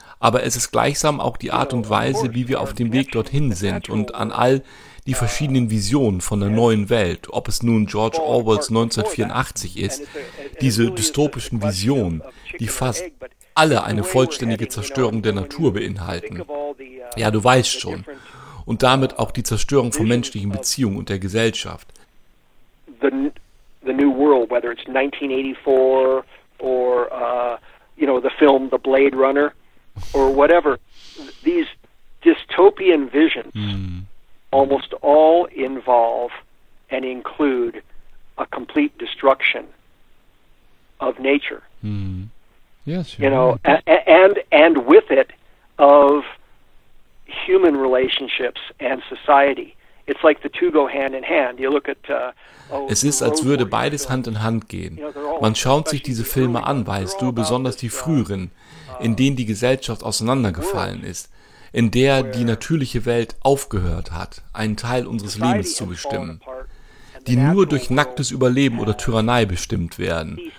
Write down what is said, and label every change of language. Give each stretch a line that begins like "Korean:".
German: Aber es ist gleichsam auch die Art und Weise, wie wir auf dem Weg dorthin sind und an all die verschiedenen Visionen von der neuen Welt, ob es nun George Orwells 1984 ist, diese dystopischen Visionen, die fast alle eine vollständige Zerstörung der Natur beinhalten. Ja, du weißt schon. Und damit auch die Zerstörung von menschlichen Beziehungen und der Gesellschaft.
English: The new world, whether it's 1984 or, you know, the film The Blade Runner or whatever, these dystopian visions almost all involve and include a complete destruction of nature. Yes, you know, and with it of human relationships and society. It's like the two go hand in hand. You look at
German: Es ist, als würde beides Hand in Hand gehen. Man schaut sich diese Filme an, weißt du, besonders die früheren, in denen die Gesellschaft auseinandergefallen ist, in der die natürliche Welt aufgehört hat, einen Teil unseres Lebens zu bestimmen, die nur durch nacktes Überleben oder Tyrannei bestimmt werden.